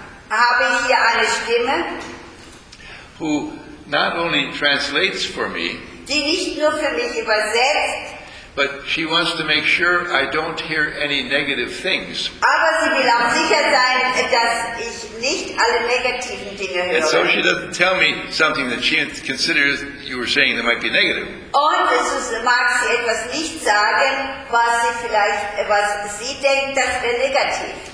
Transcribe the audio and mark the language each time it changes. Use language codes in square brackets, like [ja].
[de] Habe ich hier eine Stimme? [en] Who not only translates for me, [de] die nicht nur für mich übersetzt, [en] but she wants to make sure I don't hear any negative things. [de] Aber sie will auch sicher sein, dass ich nicht alle negativen Dinge höre. [en] And so she doesn't tell me something that she considers you were saying that might be negative. [de] Und so mag sie etwas nicht sagen, was sie denkt, das wäre negativ.